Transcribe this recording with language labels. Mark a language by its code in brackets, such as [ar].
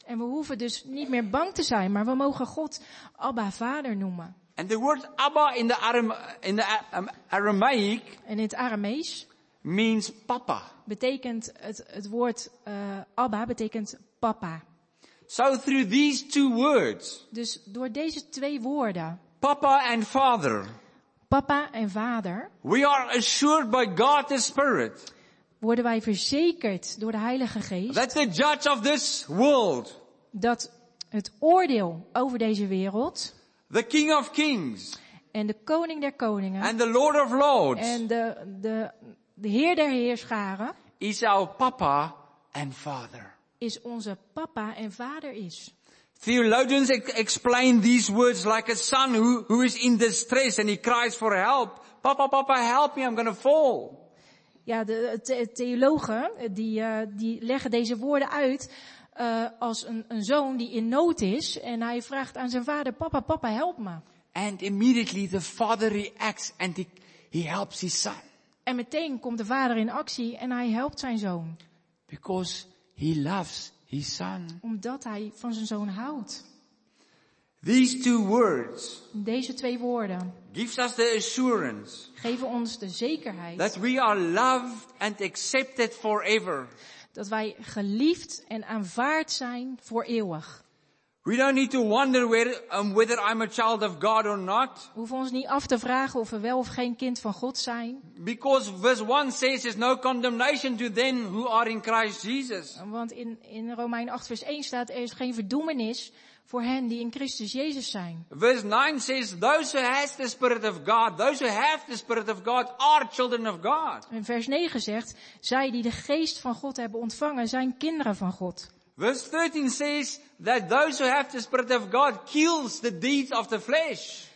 [nl] En we hoeven dus niet meer bang te zijn, maar we mogen God Abba Vader noemen. [en] And the word Abba in the Aramaic. [nl] En in het Aramees. [en] Means papa. [nl] Betekent het woord Abba betekent papa. [en] So through these two words. [nl] Dus door deze twee woorden. [en] Papa and father. [nl] Papa en vader. [en] We are assured by God the Spirit. [nl] Worden wij verzekerd door de Heilige Geest. [en] That the judge of this world, [nl] dat het oordeel over deze wereld. [en] The King of Kings, [nl] en de Koning der Koningen. [en] And the Lord of Lords, [nl] en de Heer der Heerscharen. [en] Is our papa and father. [nl] Is onze papa en vader is. [en] Theologians explain these words like a son who is in distress and he cries for help. Papa, papa, help me, I'm going to fall. [nl] Ja, de theologen die leggen deze woorden uit als een zoon die in nood is en hij vraagt aan zijn vader: papa, papa, help me. [en] And immediately the father reacts and he helps his son. [nl] En meteen komt de vader in actie en hij helpt zijn zoon. [en] Because he loves his son. [nl] Omdat hij van zijn zoon houdt. [en] These two words. [nl] Deze twee woorden. [en] Gives us the assurance. [nl] Geven ons de zekerheid. [en] That we are loved and accepted forever. [nl] Dat wij geliefd en aanvaard zijn voor eeuwig. [en] We don't need to wonder whether I'm a child of God or not. [nl] We hoeven ons niet af te vragen of we wel of geen kind van God zijn. [en] Because verse 1 says there's no condemnation to them who are in Christ Jesus. [nl] Want in Romeinen 8 vers 1 staat er is geen verdoemenis voor hen die in Christus Jezus zijn. [en] Verse 9 says those who has the spirit of God, those who have the spirit of God are children of God. [nl] En vers 9 zegt zij die de geest van God hebben ontvangen zijn kinderen van God. [en] Verse 13 says that those who have the spirit of God kills the deeds of the flesh.